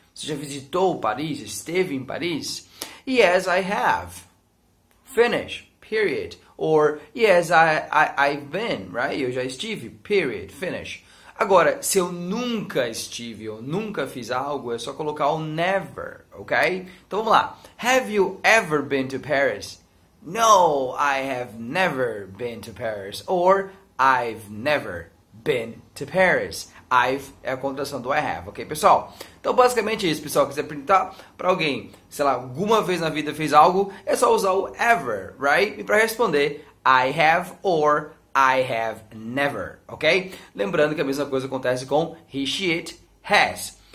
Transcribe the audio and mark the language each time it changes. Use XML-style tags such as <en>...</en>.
<pt>Você já visitou Paris? Esteve em Paris?</pt> <en>Yes, I have. Finish. Period. Or yes, I've been, right?</en> <pt>Eu já estive.</pt> <en>Period. Finish.</en> <pt>Agora, se eu nunca estive, eu nunca fiz algo, é só colocar o never, ok? Então vamos lá.</pt> <en>Have you ever been to Paris? No, I have never been to Paris. Or I've never been to Paris.</en> <pt>I've é a contração do I have, ok, pessoal? Então, basicamente é isso, pessoal. Se quiser perguntar para alguém, sei lá, alguma vez na vida fez algo, é só usar o ever, right? E para responder,</pt> <en>I have or I have never,</en> <pt>ok? Lembrando que a mesma coisa acontece com he, she, it, has.</pt>